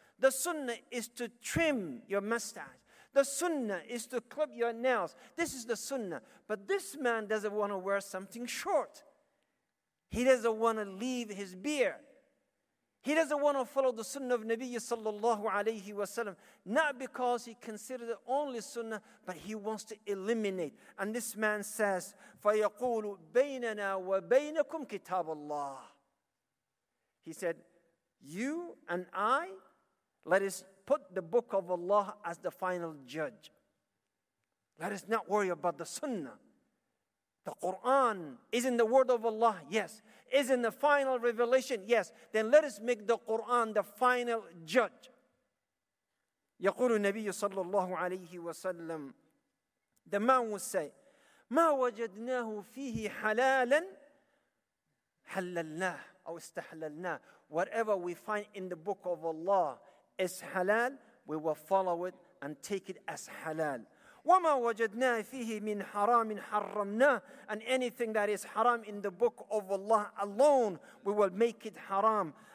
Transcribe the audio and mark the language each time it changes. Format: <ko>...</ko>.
<en>The sunnah is to trim your mustache. The sunnah is to clip your nails. This is the sunnah. But this man doesn't want to wear something short. He doesn't want to leave his beard. He doesn't want to follow the sunnah of Nabi sallallahu alayhi wasallam, not because he considered it only sunnah, but he wants to eliminate. And this man says,</en> <ar>فَيَقُولُ بَيْنَنَا وَبَيْنَكُمْ كِتَابُ اللَّهِ.</ar> <en>He said, you and I, let us put the book of Allah as the final judge. Let us not worry about the sunnah. The Quran is in the word of Allah, yes. Is in the final revelation, yes. Then let us make the Quran the final judge.</en> <ar>يقول النبي صلى الله عليه وسلم,</ar> <en>the man will say,</en> <ar>ما وجدناه فيه حلالا حللناه أو استحللناه.</ar> <en>Whatever we find in the book of Allah is halal, we will follow it and take it as halal.</en> <ar>وَمَا وَجَدْنَا فِيهِ مِنْ حَرَامٍ حَرَّمْنَاهُ.</ar> <en>And anything that is haram in the book of Allah alone, we will make it haram.</en>